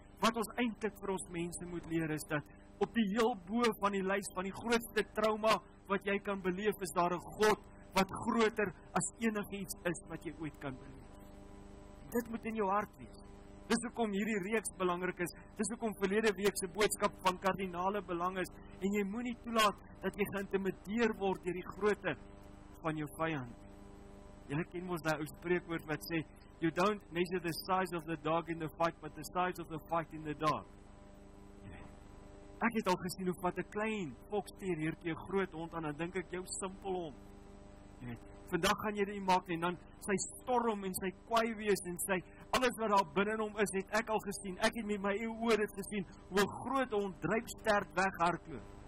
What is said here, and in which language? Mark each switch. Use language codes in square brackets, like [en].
[af] Wat ons eintlik vir ons mense moet leer is dat, op die heel bo van die lys van die grootste trauma wat jy kan beleef, is daar 'n God wat groter as enigiets is wat jy ooit kan beleef. Dit moet in jou hart wees. Dis hoekom hierdie reeks belangrik is. Dis hoekom verlede week se boodskap van kardinale belang is. En jy moenie toelaat dat jy geïntimideer word deur die grootte van jou vyand. Julle ken mos daai ou spreekwoord wat sê, [en] "You don't measure the size of the dog in the fight, but the size of the fight in the dog." [af] Ek het al gesien hoe wat 'n klein fox terrierjie 'n groot hond aan, en dan dink ek jou simpel hom. Jy weet, vandag gaan jy dit maak, en dan sy storm en sy kwaai wees en sy alles wat daar binne in hom is, het ek al gesien. Ek het met my eie oë dit gesien hoe 'n groot hond drypsterk weghardloop.